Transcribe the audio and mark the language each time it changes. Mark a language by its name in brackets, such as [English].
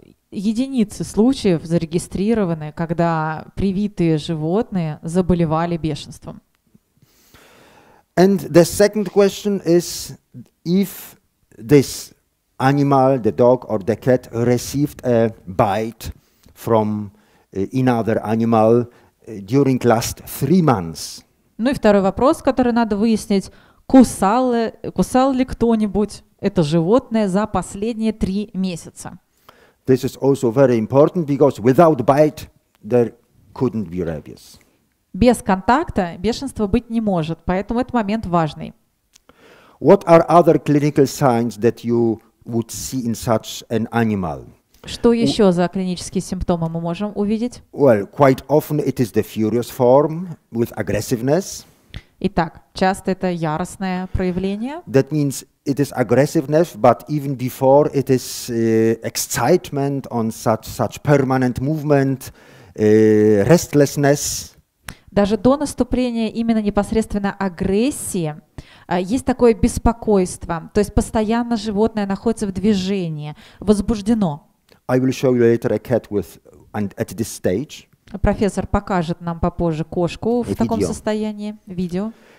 [Russian] Единицы случаев зарегистрированы, когда привитые животные заболевали бешенством. [English] And the second question is, if this animal, the dog or the cat, received a bite from another animal during last 3 months. [Russian] Ну и второй вопрос, который надо выяснить, кусал ли кто-нибудь это животное за последние 3 месяца? [English] This is also very important, because without bite there couldn't be rabies. [Russian] Без контакта бешенство быть не может, поэтому этот момент важный. [English] What are other clinical signs that you would see in such an animal? [Russian] Что еще за клинические симптомы мы можем увидеть? [English] Well, quite often it is the furious form with aggressiveness. [Russian] Итак, часто это яростное проявление. [English] That means it is aggressiveness, but even before it is excitement on such permanent movement, restlessness. [Russian] Даже до наступления именно непосредственно агрессии есть такое беспокойство, то есть постоянно животное находится в движении, возбуждено. [English] I will show you later a cat with, and at this stage. [Russian] Профессор покажет нам попозже кошку в таком состоянии, видео.